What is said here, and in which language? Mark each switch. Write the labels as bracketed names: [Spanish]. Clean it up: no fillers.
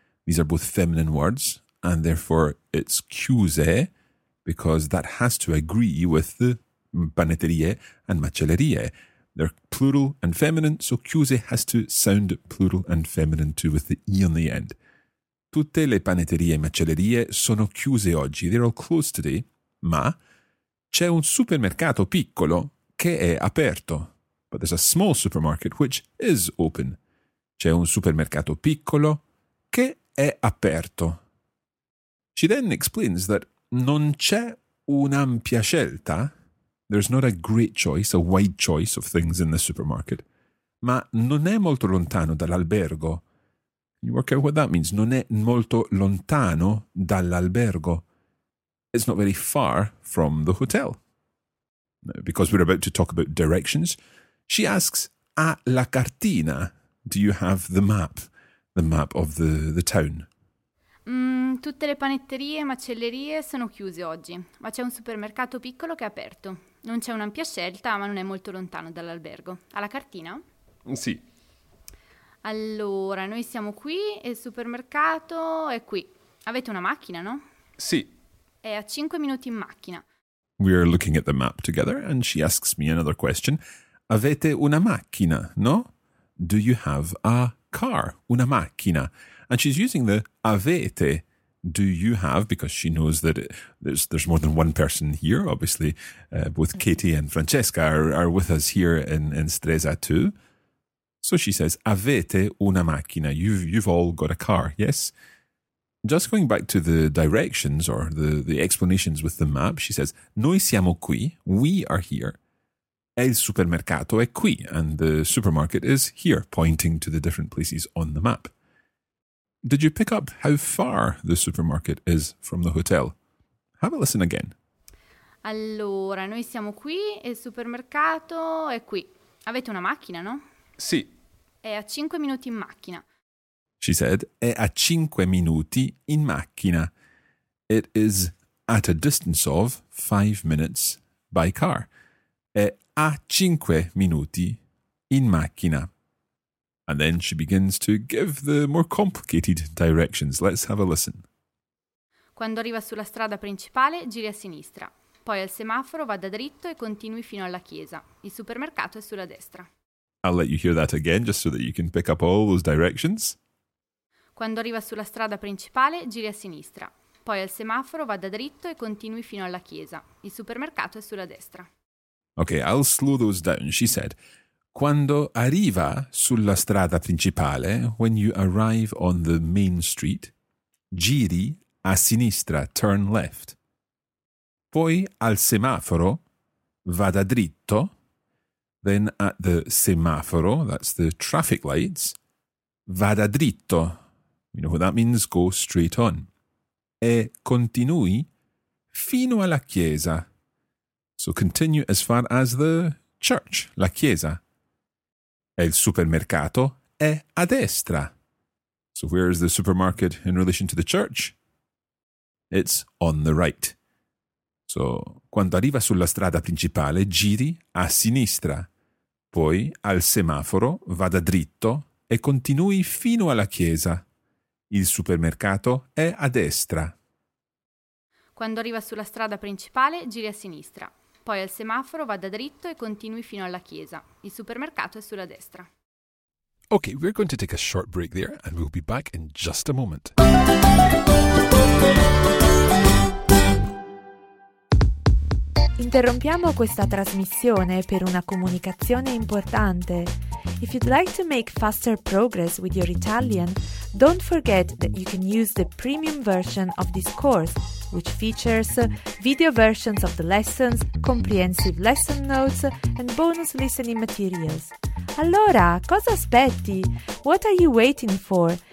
[English] These are both feminine words, and therefore it's chiuse, because that has to agree with the panetterie and macellerie. They're plural and feminine, so chiuse has to sound plural and feminine too, with the E on the end. [Italian] Tutte le panetterie e macellerie sono chiuse oggi. [English] They're all closed today. [Italian] Ma c'è un supermercato piccolo che è aperto. [English] But there's a small supermarket which is open. [Italian] C'è un supermercato piccolo che è aperto. [English] She then explains that [Italian] non c'è un'ampia scelta. [English] There's not a great choice, a wide choice of things in the supermarket. [Italian] Ma non è molto lontano dall'albergo. [English] You work out what that means. [Italian] Non è molto lontano dall'albergo. [English] It's not very far from the hotel. Because we're about to talk about directions, she asks, [Italian] a la cartina, [English] do you have the map of the town? [Italian] Tutte le panetterie e macellerie sono chiuse oggi, ma c'è un supermercato piccolo che è aperto. Non c'è un'ampia scelta, ma non è molto lontano dall'albergo. Alla cartina? Sì. Allora, noi siamo qui e il supermercato è qui. Avete una macchina, no? Sì. È a 5 minuti in macchina. [English] We are looking at the map together and she asks me another question. [Italian] Avete una macchina, no? [English] Do you have a car? [Italian] Una macchina. [English] And she's using the avete. Do you have, because she knows that there's more than one person here, obviously. Both Katie and Francesca are with us here in Stresa too. So she says, [Italian] avete una macchina. [English] You've all got a car, yes? Just going back to the directions or the explanations with the map, she says, [Italian] noi siamo qui, [English] we are here. [Italian] Il supermercato è qui, [English] and the supermarket is here, pointing to the different places on the map. Did you pick up how far the supermarket is from the hotel? Have a listen again. [Italian] Allora, noi siamo qui e il supermercato è qui. Avete una macchina, no? Sì. È a 5 minuti in macchina. [English] She said, [Italian] è a 5 minuti in macchina. [English] It is at a distance of 5 minutes by car. [Italian] È a 5 minuti in macchina. [English] And then she begins to give the more complicated directions. Let's have a listen. [Italian] Quando arriva sulla strada principale, giri a sinistra. Poi al semaforo vada dritto e continui fino alla chiesa. Il supermercato è sulla destra. [English] I'll let you hear that again just so that you can pick up all those directions. [Italian] Quando arriva sulla strada principale, giri a sinistra. Poi al semaforo vada dritto e continui fino alla chiesa. Il supermercato è sulla destra. [English] Ok, I'll slow those down, she said. [Italian] Quando arriva sulla strada principale, [English] when you arrive on the main street, [Italian] giri a sinistra, [English] turn left. [Italian] Poi al semaforo, vada dritto. [English] Then at the semaforo, that's the traffic lights, [Italian] vada dritto. [English] You know what that means, go straight on. [Italian] E continui fino alla chiesa. [English] So continue as far as the church, la chiesa. [Italian] E il supermercato è a destra. [English] So where is the supermarket in relation to the church? It's on the right. [Italian] So quando arriva sulla strada principale, giri a sinistra. Poi al semaforo vada dritto e continui fino alla chiesa. Il supermercato è a destra. Quando arriva sulla strada principale, giri a sinistra. Poi al semaforo vada dritto e continui fino alla chiesa. Il supermercato è sulla destra. [English] Ok, we're going to take a short break there and we'll be back in just a moment. [Italian] Interrompiamo questa trasmissione per una comunicazione importante. [English] If you'd like to make faster progress with your Italian, don't forget that you can use the premium version of this course, which features video versions of the lessons, comprehensive lesson notes, and bonus listening materials. [Italian] Allora, cosa aspetti? [English] What are you waiting for?